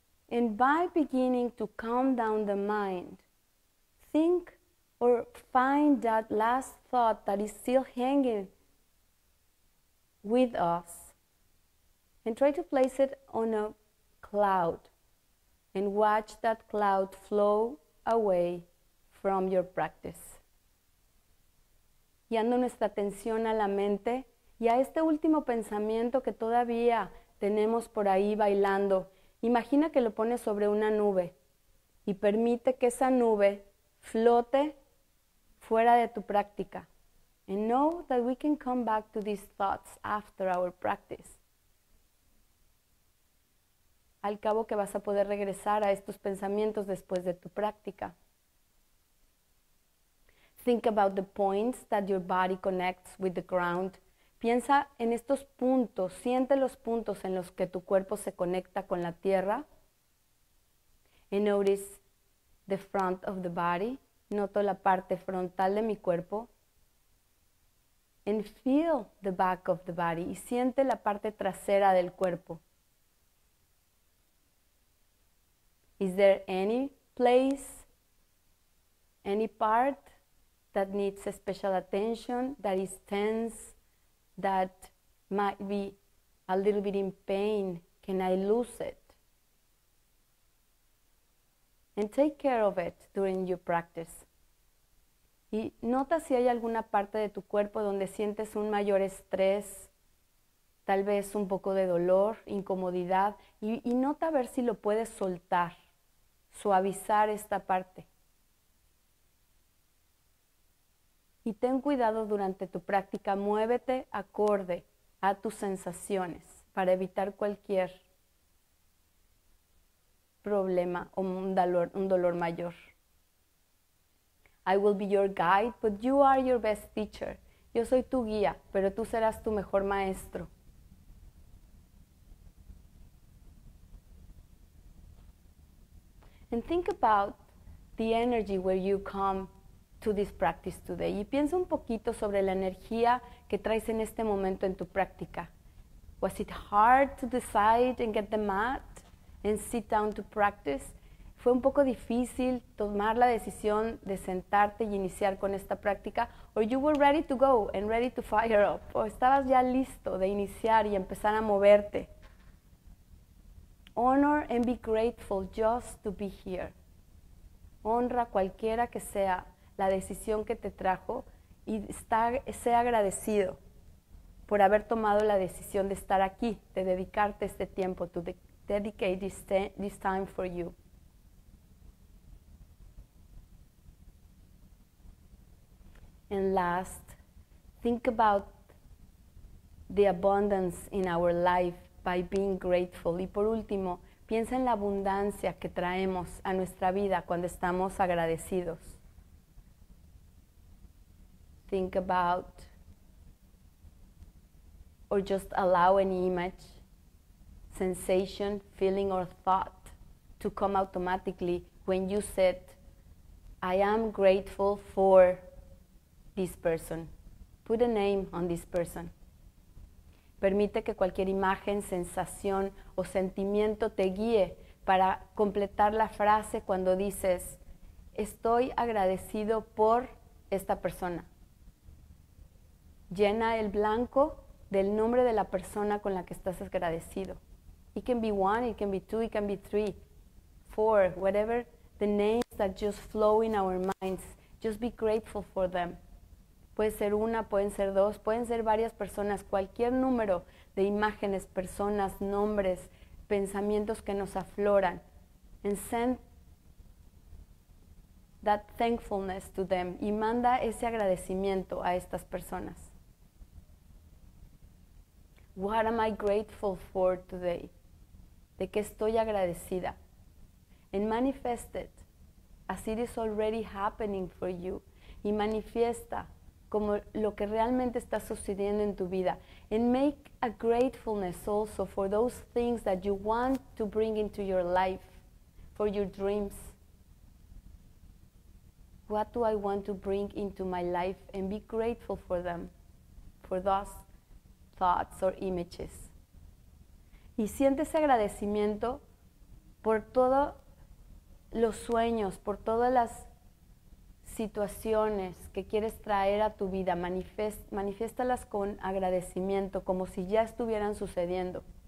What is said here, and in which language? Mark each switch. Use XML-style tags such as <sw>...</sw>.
<en>And by beginning to calm down the mind, think or find that last thought that is still hanging with us and try to place it on a cloud and watch that cloud flow away from your practice.</en> <es>Guiando nuestra atención a la mente y a este último pensamiento que todavía tenemos por ahí bailando, imagina que lo pones sobre una nube y permite que esa nube flote fuera de tu práctica.</es> <en>And know that we can come back to these thoughts after our practice.</en> <es>Al cabo que vas a poder regresar a estos pensamientos después de tu práctica.</es> <en>Think about the points that your body connects with the ground.</en> <es>Piensa en estos puntos, siente los puntos en los que tu cuerpo se conecta con la tierra.</es> <en>And notice the front of the body.</en> <es>Noto la parte frontal de mi cuerpo.</es> <en>And feel the back of the body.</en> <es>Y siente la parte trasera del cuerpo.</es> <en>Is there any place, any part that needs a special attention, that is tense, that might be a little bit in pain? Can I lose it? And take care of it during your practice.</en> <es>Y nota si hay alguna parte de tu cuerpo donde sientes un mayor estrés, tal vez un poco de dolor, incomodidad, y nota a ver si lo puedes soltar, suavizar esta parte. Y ten cuidado durante tu práctica, muévete acorde a tus sensaciones para evitar cualquier problema o un dolor mayor.</es> <en>I will be your guide, but you are your best teacher.</en> <es>Yo soy tu guía, pero tú serás tu mejor maestro.</es> <en>And think about the energy where you come to this practice today.</en> <es>Y piensa un poquito sobre la energía que traes en este momento en tu práctica.</es> <en>Was it hard to decide and get the mat and sit down to practice?</en> <es>¿Fue un poco difícil tomar la decisión de sentarte y iniciar con esta práctica?</es> <en>Or you were ready to go and ready to fire up?</en> <es>¿O estabas ya listo de iniciar y empezar a moverte?</es> <en>Honor and be grateful just to be here.</en> <es>Honra cualquiera que sea la decisión que te trajo y sea agradecido por haber tomado la decisión de estar aquí, de dedicarte este tiempo,</es> <en>to dedicate this time for you. And last, think about the abundance in our life by being grateful.</en> <es>Y por último, piensa en la abundancia que traemos a nuestra vida cuando estamos agradecidos.</es> <en>Think about, or just allow an image, sensation, feeling, or thought to come automatically when you said, I am grateful for this person. Put a name on this person.</en> <es>Permite que cualquier imagen, sensación o sentimiento te guíe para completar la frase cuando dices, estoy agradecido por esta persona. Llena el blanco del nombre de la persona con la que estás agradecido.</es> <en>It can be one, it can be two, it can be three, four, whatever the names that just flow in our minds. Just be grateful for them.</en> <es>Puede ser una, pueden ser dos, pueden ser varias personas, cualquier número de imágenes, personas, nombres, pensamientos que nos afloran.</es> <en>And send that thankfulness to them.</en> <es>Y manda ese agradecimiento a estas personas.</es> <en>What am I grateful for today?</en> <es>¿De qué estoy agradecida?</es> <en>And manifest it as it is already happening for you.</en> <es>Y manifiesta como lo que realmente está sucediendo en tu vida.</es> <en>And make a gratefulness also for those things that you want to bring into your life, for your dreams. What do I want to bring into my life? And be grateful for them, for those thoughts or images.</en> <es>Y siente ese agradecimiento por todos los sueños, por todas las situaciones que quieres traer a tu vida. Manifiéstalas con agradecimiento, como si ya estuvieran sucediendo.</es>